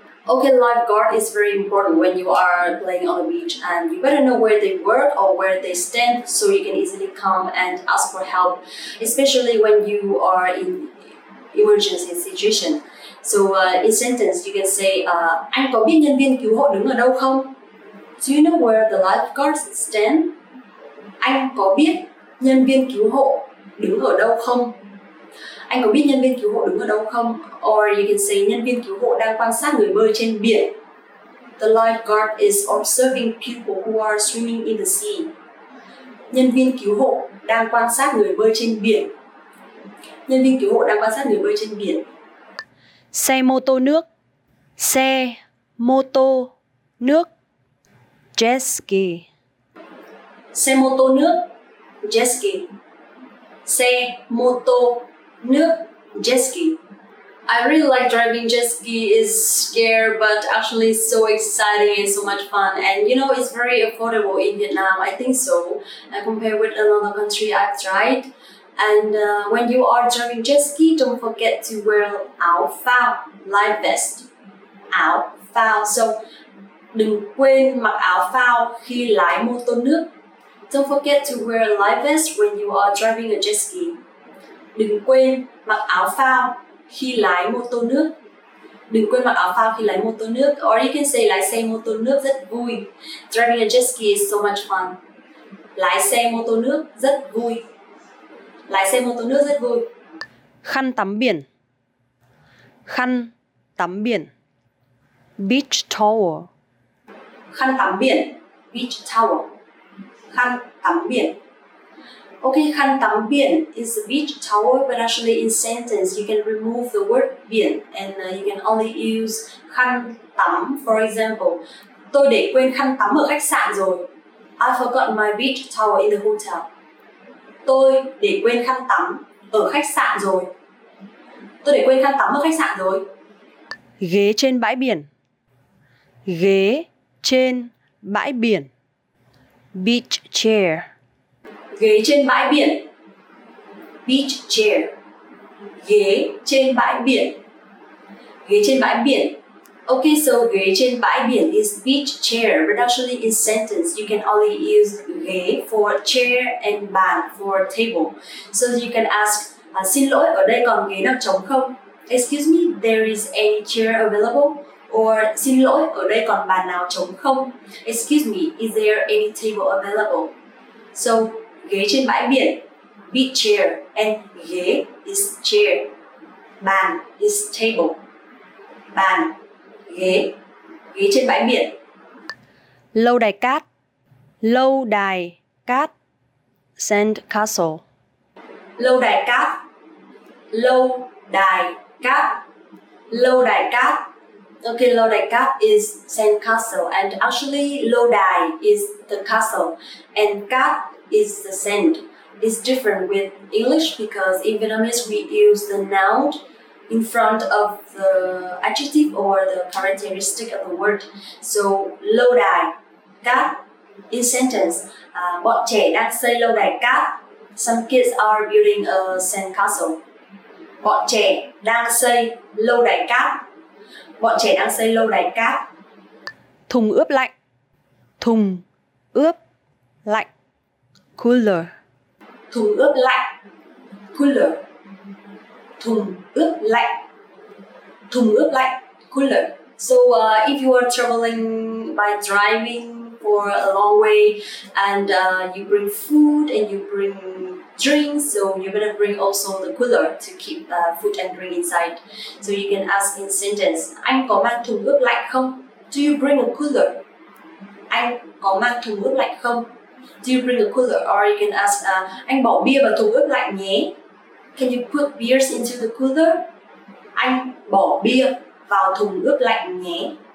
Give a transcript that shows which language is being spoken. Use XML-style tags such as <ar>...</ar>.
<en>Okay, lifeguard is very important when you are playing on the beach, and you better know where they work or where they stand so you can easily come and ask for help, especially when you are in emergency situation. So in sentence, you can say,</en> <vi>Anh có biết nhân viên cứu hộ đứng ở đâu không?</vi> <en>Do you know where the lifeguards stand?</en> <vi>Anh có biết nhân viên cứu hộ đứng ở đâu không? Anh có biết nhân viên cứu hộ đứng ở đâu không?</vi> <en>Or you can say</en> <vi>nhân viên cứu hộ đang quan sát người bơi trên biển.</vi> <en>The lifeguard is observing people who are swimming in the sea.</en> <vi>Nhân viên cứu hộ đang quan sát người bơi trên biển. Nhân viên cứu hộ đang quan sát người bơi trên biển. Xe mô tô nước. Xe mô tô nước.</vi> <en>Jet ski.</en> <vi>Xe mô tô nước.</vi> <en>Jet ski.</en> <vi>Xe mô tô nước. Jet ski.</vi> <en>I really like driving jet ski. It's scary, but actually so exciting and so much fun. And you know, it's very affordable in Vietnam. I think so. Compared with another country I've tried. And when you are driving jet ski, don't forget to wear áo phao, life vest.</en> <vi>Áo phao. So đừng quên mặc áo phao khi lái mô tô nước.</vi> <en>Don't forget to wear a life vest when you are driving a jet ski.</en> <vi>Đừng quên mặc áo phao khi lái mô tô nước. Đừng quên mặc áo phao khi lái mô tô nước.</vi> <en>Or you can say</en> <vi>lái xe mô tô nước rất vui.</vi> <en>Driving a jet ski is so much fun.</en> <vi>Lái xe mô tô nước rất vui. Lái xe mô tô nước rất vui. Khăn tắm biển. Khăn tắm biển.</vi> <en>Beach towel.</en> <vi>Khăn tắm biển.</vi> <en>Beach towel.</en> <vi>Khăn tắm biển.</vi> <en>Okay, khăn tắm biển is a beach towel, but actually in sentence you can remove the word biển and you can only use khăn tắm. For example,</en> <vi>tôi để quên khăn tắm ở khách sạn rồi.</vi> <en>I forgot my beach towel in the hotel.</en> <vi>Tôi để quên khăn tắm ở khách sạn rồi. Tôi để quên khăn tắm ở khách sạn rồi. Ghế trên bãi biển. Ghế trên bãi biển.</vi> <en>Beach chair.</en> <vi>Ghế trên bãi biển.</vi> <en>Beach chair.</en> <vi>Ghế trên bãi biển. Ghế trên bãi biển.</vi> <en>Okay, so ghế trên bãi biển is beach chair. But actually in sentence, you can only use ghế for chair and bàn for table. So you can ask,</en> <vi>xin lỗi, ở đây còn ghế nào trống không?</vi> <en>Excuse me, there is any chair available? Or</en> <vi>xin lỗi, ở đây còn bàn nào trống không?</vi> <en>Excuse me, is there any table available? So ghế trên bãi biển, beach chair, and ghế is chair, bàn is table, bàn, ghế, ghế trên bãi biển.</en> <vi>Lâu đài cát, lâu đài cát,</vi> <en>sand castle.</en> <vi>Lâu đài cát, lâu đài cát, lâu đài cát.</vi> <en>Okay, lâu đài cát is sand castle, and actually lâu đài is the castle, and cát is the sand. It's different with English because in Vietnamese we use the noun in front of the adjective or the characteristic of the word. So lâu đài cát in sentence.</en> <vi>Bọn trẻ đang xây lâu đài cát.</vi> <en>Some kids are building a sand castle.</en> <vi>Bọn trẻ đang xây lâu đài cát. Bọn trẻ đang xây lâu đài cát. Thùng ướp lạnh. Thùng ướp lạnh.</vi> <en>Cooler.</en> <vi>Thùng ướp lạnh.</vi> <en>Cooler.</en> <vi>Thùng ướp lạnh. Thùng ướp lạnh.</vi> <en>Cooler. So if you are traveling by driving for a long way, and you bring food and you bring drinks, so you better bring also the cooler to keep food and drink inside. So you can ask in sentence,</en> <vi>anh có mang thùng ướp lạnh không?</vi> <en>Do you bring a cooler?</en> <vi>Anh có mang thùng ướp lạnh không?</vi> <en>Do you bring a cooler? Or you can ask,</en> <vi>anh bỏ bia vào thùng ướp lạnh nhé?</vi> <en>Can you put beers into the cooler?</en> <vi>Anh bỏ bia vào thùng ướp lạnh nhé?</vi>